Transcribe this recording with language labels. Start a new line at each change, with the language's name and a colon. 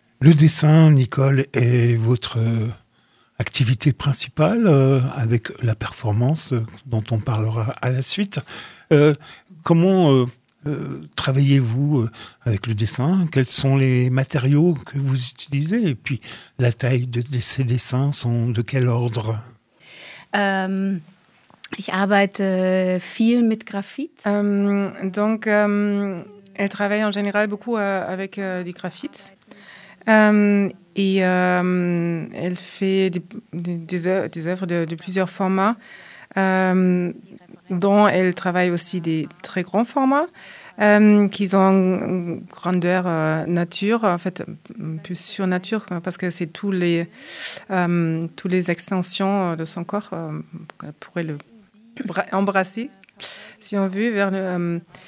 French: Le dessin, Nicole, est votre activité principale avec la performance dont on parlera à la suite. Comment travaillez-vous avec le dessin? Quels sont les matériaux que vous utilisez? Et puis, la taille de ces dessins sont de quel ordre?
German: Ich arbeite viel mit Graphit.
French: Donc, elle travaille en général beaucoup avec du graphit. Elle fait des œuvres de plusieurs formats, dont elle travaille aussi des très grands formats, qui ont une grandeur nature, en fait, plus sur nature, parce que c'est toutes les extensions de son corps qu'elle pourrait le embrasser, si on veut, vers le.